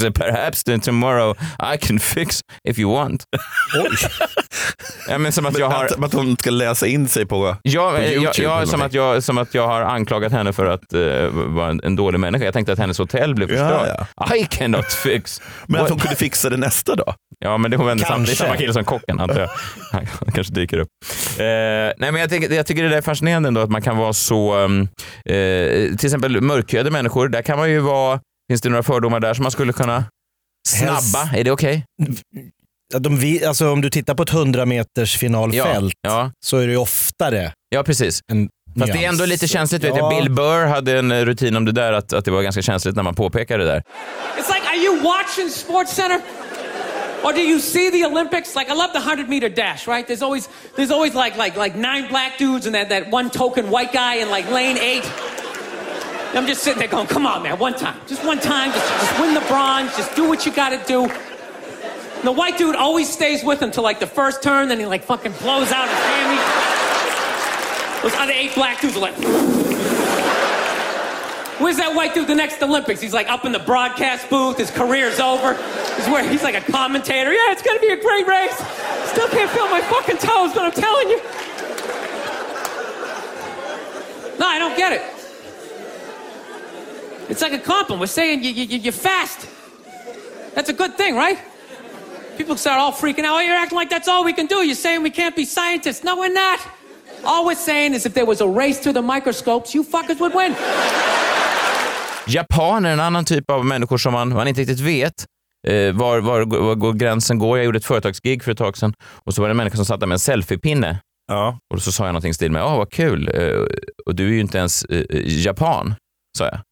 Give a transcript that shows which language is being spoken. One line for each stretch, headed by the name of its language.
English: So perhaps then tomorrow I can fix if you want.
Swedish: Ja, men som att jag har, att hon ska läsa in sig på, ja, på YouTube, ja, som att jag, som att jag har anklagat henne för att vara en dålig människa. Jag tänkte att hennes hotell blev förstört.
English: Ja. I cannot fix.
Swedish: Men att hon kunde fixa det nästa dag. Ja, men det var väl samma kille som kocken, antar jag. Han kanske dyker upp. Nej, men jag tycker det är fascinerande ändå att man kan vara så till exempel mörkhyade människor, där kan man ju vara, finns det några fördomar där som man skulle kunna snabba? Är det okej? Okay? Alltså, om du tittar på ett 100 meters finalfält, ja, ja, så är det ju oftare. Ja, precis. Fast det är ändå lite känsligt. Ja. Vet jag. Bill Burr hade en rutin om det där, att det var ganska känsligt när man påpekade det där.
English: It's like, are you watching SportsCenter? Or do you see the Olympics? Like, I love the 100 meter dash, right? There's always like 9 black dudes and that one token white guy in like lane 8. I'm just sitting there going, come on, man, one time. Just win the bronze. Just do what you gotta do. And the white dude always stays with him till like the first turn, then he like fucking blows out his hammy. Those other 8 black dudes are like, where's that white dude the next Olympics? He's like up in the broadcast booth, his career's over. He's where he's like a commentator. Yeah, it's gonna be a great race. Still can't feel my fucking toes, but I'm telling you. No, I don't get it. It's like a compliment. We're saying you're fast. That's a good thing, right? People start all freaking out. Oh, you're acting like that's all we can do. You're saying we can't be scientists. No, we're not. All we're saying is if there was a race through the microscopes, you fuckers would win.
Swedish: Japan är en annan typ av människor som man inte riktigt vet var går gränsen går. Jag gjorde ett företagsgig för ett tag sedan och så var det en människa som satt där med en selfiepinne. Ja. Och så sa jag någonting stil med, åh, vad kul. Och du är ju inte ens Japan, sa jag.